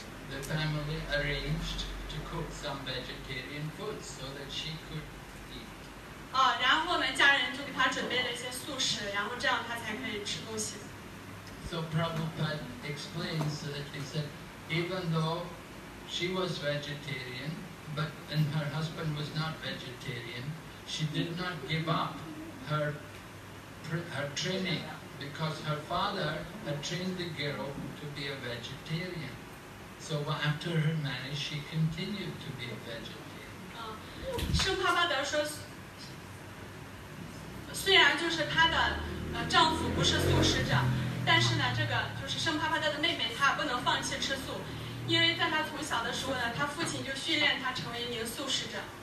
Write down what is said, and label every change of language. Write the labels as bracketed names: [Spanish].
[English] The family arranged to cook some vegetarian food so that she could eat. [Chinese] 然后我们家人就给她准备了一些素食，然后这样她才可以吃东西。 [English] So Prabhupada explains that he said, even though she was vegetarian, but and her husband was not vegetarian, she did not give up her training because her father had trained the girl to be a vegetarian. So after her marriage, she continued to be a vegetarian. [Chinese] 圣帕帕德说，虽然就是他的丈夫不是素食者，但是呢，这个就是生啪啪的妹妹，她不能放弃吃素，因为在她从小的时候呢，她父亲就训练她成为一名素食者。